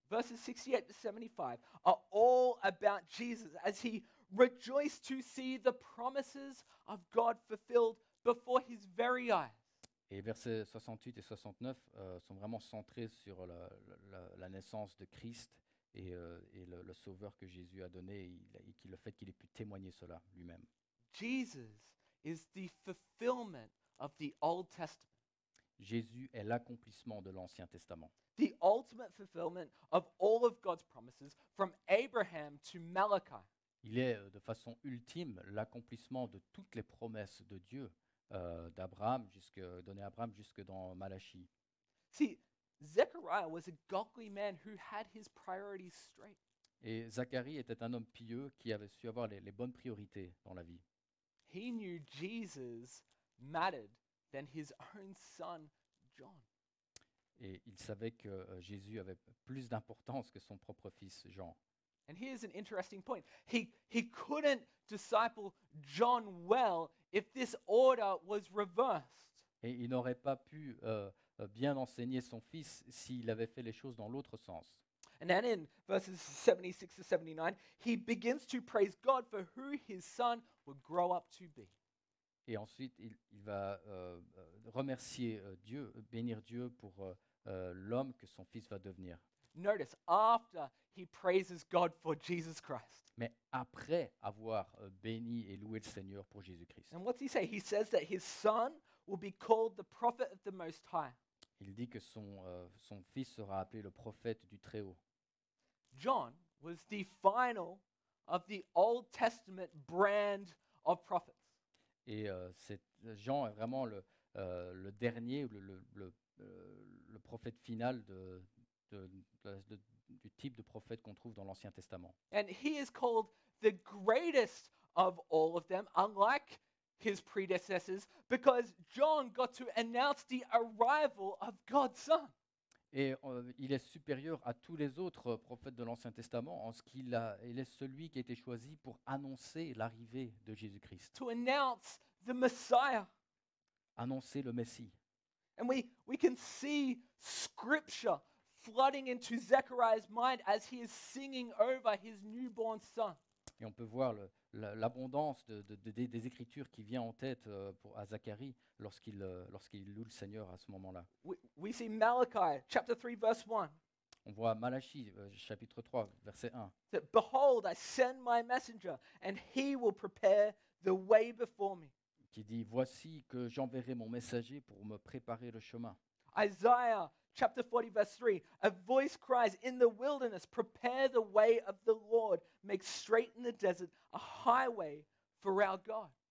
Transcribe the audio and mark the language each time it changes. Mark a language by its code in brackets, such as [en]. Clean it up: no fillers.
[en] Verses 68 to 75 are all about Jesus as he rejoiced to see the promises of God fulfilled before his very eyes. [fr] Et versets 68 et 69 sont vraiment centrés sur la naissance de Christ et le sauveur que Jésus a donné et le fait qu'il ait pu témoigner cela lui-même. [en] Jesus is the fulfillment of the Old Testament. [fr] Jésus est l'accomplissement de l'Ancien Testament. [en] The ultimate fulfillment of all of God's promises from Abraham to Malachi. [fr] Il est de façon ultime l'accomplissement de toutes les promesses de Dieu d'Abraham donné à Abraham jusque dans Malachie. [en] See, Zechariah was a godly man who had his priorities straight. [fr] Et Zacharie était un homme pieux qui avait su avoir les bonnes priorités dans la vie. [en] He knew Jesus mattered than his own son, John. [fr] Et il savait que Jésus avait plus d'importance que son propre fils, Jean. [en] And here's an interesting point. He couldn't disciple John well if this order was reversed. [fr] Et il n'aurait pas pu bien enseigner son fils s'il avait fait les choses dans l'autre sens. [en] And then in verses 76 to 79, he begins to praise God for who his son would grow up to be. [fr] Et ensuite, il va remercier Dieu, bénir Dieu pour l'homme que son fils va devenir. [en] Notice, after he praises God for Jesus Christ. [fr] Mais après avoir béni et loué le Seigneur pour Jésus Christ. [en] And what's he say? He says that his son will be called the prophet of the Most High. [fr] Il dit que son fils sera appelé le prophète du Très-Haut. [en] John was the final of the Old Testament brand of prophets. [fr] Et Jean est vraiment le dernier, le prophète final du type de prophète qu'on trouve dans l'Ancien Testament. [en] And he is called the greatest of all of them, unlike his predecessors, because John got to announce the arrival of God's Son. [fr] Et il est supérieur à tous les autres prophètes de l'Ancien Testament en ce qu'il est celui qui a été choisi pour annoncer l'arrivée de Jésus-Christ. [en] To announce the Messiah. [fr] Annoncer le Messie. [en] And we can see scripture flooding into Zechariah's mind as he is singing over his newborn son. [fr] Et on peut voir l'abondance des Écritures qui vient en tête à Zacharie lorsqu'il loue le Seigneur à ce moment-là. [en] We see Malachi, chapter 3, verse 1. [fr] On voit Malachie, chapitre 3, verset 1. [en] That, behold, I send my messenger, and he will prepare the way before me. [fr] Qui dit, voici que j'enverrai mon messager pour me préparer le chemin. [en] Isaiah, chapter 40, verse 3. A voice cries in the wilderness, prepare the way of the Lord, make straight in the desert a highway for our God.